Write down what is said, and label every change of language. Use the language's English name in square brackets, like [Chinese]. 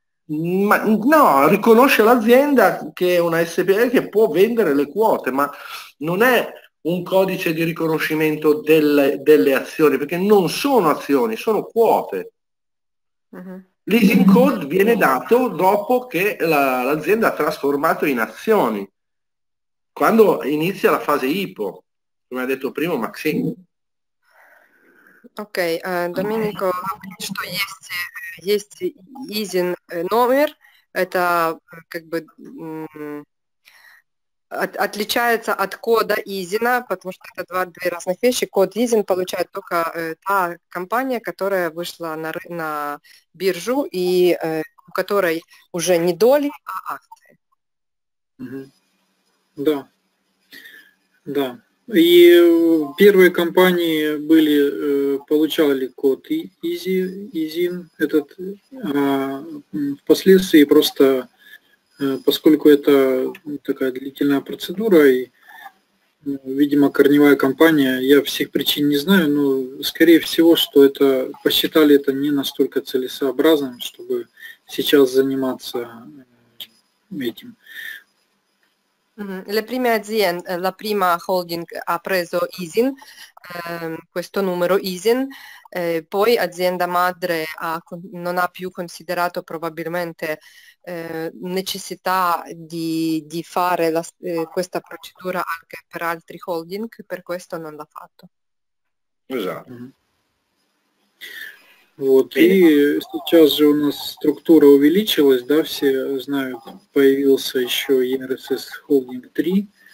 [Italian] Ma no, riconosce l'azienda che è una SPA che può vendere le quote, ma non è un codice di riconoscimento delle azioni, perché non sono azioni, sono quote. L'ISIN code viene dato dopo che l'azienda ha trasformato in azioni, quando inizia la fase IPO. Come ha detto prima Maxim. [Russian] Ok, Domenico, что есть есть ISIN номер, это как бы отличается от кода ISIN, потому что это две разных вещи. Код ISIN получает только та компания, которая вышла на биржу и у которой уже не доли, а акции. Да. Да. И первые компании были получали код ISIN этот, а впоследствии просто, поскольку это такая длительная процедура и, видимо, корневая компания, я всех причин не знаю, но скорее всего, что это посчитали это не настолько целесообразным, чтобы сейчас заниматься этим. [Italian] Le prime aziende, la prima holding ha preso ISIN, questo numero ISIN, poi azienda madre non ha più considerato probabilmente necessità di fare questa procedura anche per altri holding, per questo non l'ha fatto. [Russian] Вот, и сейчас же у нас структура увеличилась, да, все знают, появился еще ERSS Holding 3,